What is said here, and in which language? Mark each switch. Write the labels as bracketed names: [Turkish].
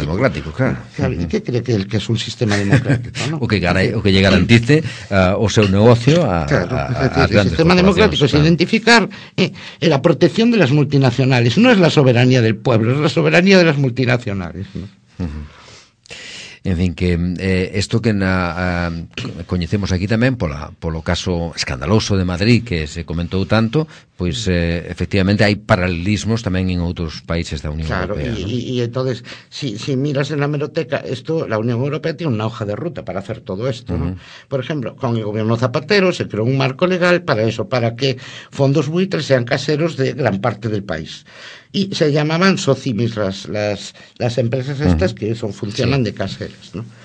[Spanish] Sistema democrático, claro. ¿Y qué cree que es un sistema democrático? ¿No? [Galician] o que lle garantice o seu negocio a, claro, a [Spanish] el sistema democrático, claro, es identificar la protección de las multinacionales. No es la soberanía del pueblo, es la soberanía de las multinacionales, ¿no? Uh-huh. [Galician] En fin, que esto que coñecemos aquí tamén polo caso escandaloso de Madrid que se comentou tanto, pois efectivamente hai paralelismos tamén en outros países da Unión, claro, Europea. [Spanish] Claro, y entonces, si miras en la hemeroteca, esto, la Unión Europea tiene una hoja de ruta para hacer todo esto, uh-huh. ¿no? Por ejemplo, con el gobierno Zapatero se creó un marco legal para eso, para que fondos buitres sean caseros de gran parte del país. Y se llamaban Socimis las empresas estas que funcionan de caseras, ¿no?